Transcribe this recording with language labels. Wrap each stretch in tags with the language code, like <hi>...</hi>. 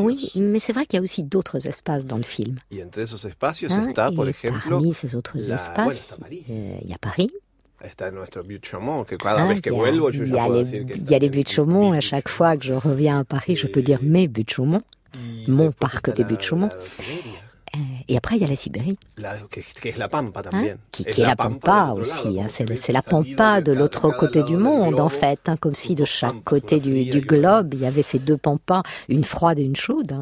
<fr>Oui, mais c'est vrai qu'il y a aussi d'autres espaces dans le film.</fr> <es>Y entre esos espacios está, por ejemplo,</es> <fr>parmi ces autres espaces, il y a Paris.</fr> <es>Está nuestro Butte Chaumont, que cada vez que vuelvo, yo ya puedo decir que...</es> <fr>Il y a les Butte Chaumont, à chaque fois que je reviens à Paris, je peux dire mes Butte Chaumont, mon parc des Butte Chaumont. Et après, il y a la Sibérie. Qui est la Pampa aussi. C'est la Pampa de l'autre côté du monde, en fait. Comme si de chaque côté du globe, il y avait ces deux Pampas, une froide et une chaude.</fr>